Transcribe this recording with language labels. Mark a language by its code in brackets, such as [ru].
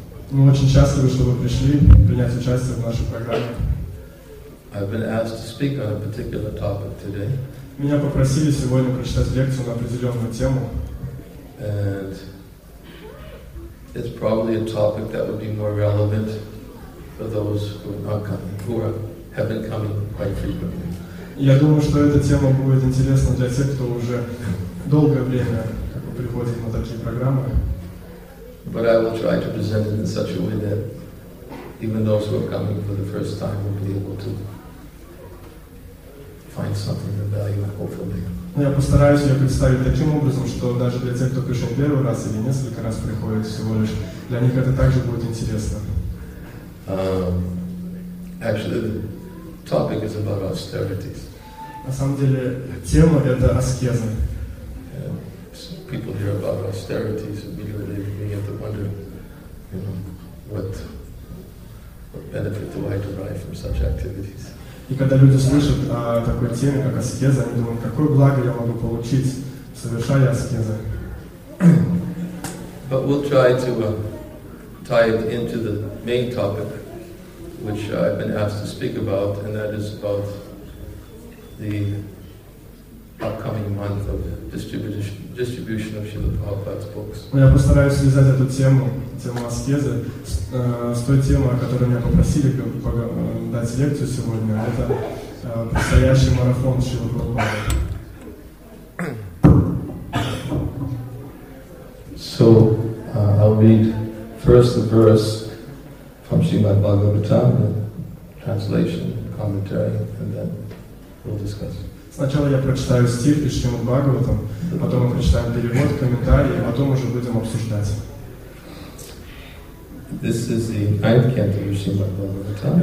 [ru] Мы очень счастливы, что вы пришли принять участие в нашей программе. [en] I've been asked to speak on a particular topic today. [ru] Меня попросили сегодня прочитать лекцию на определенную тему. [en] And it's probably a topic that would be more relevant for those who are not coming, who are, have been coming quite frequently. [ru] Я думаю, что эта тема будет интересна для тех, кто уже долгое время приходит на такие программы. [en] But I will try to present it in such a way that even those who are coming for the first time will be able to find something of value, hopefully. [ru] Я постараюсь ее представить таким образом, что даже для тех, кто пришел первый раз или несколько раз приходит всего лишь, для них это также будет интересно. [en] Actually, the topic is about austerities. [ru] На самом деле, тема — это аскезы. [en] People hear about austerities, immediately they begin to wonder, you know, what benefit do I derive from such activities. [ru] И когда люди слышат о такой теме, как аскеза, они думают, какое благо я могу получить, совершая аскезы. [en] But we'll try to tie it into the main topic, which I've been asked to speak about, and that is about the upcoming month of distribution of Srila Prabhupada's books. [ru] Я постараюсь связать эту тему аскезы, с той темой, о которой меня попросили дать лекцию сегодня, а это предстоящий марафон Шрилы Прабхупады. [en] So, I'll read first the verse from Srimad Bhagavatam, the translation, commentary, and then we'll discuss. [ru] Сначала я прочитаю стих из Шримад Бхагаватам, потом мы прочитаем перевод, комментарии, потом уже будем обсуждать. [en] This is the ninth canto of Srimad Bhagavatam.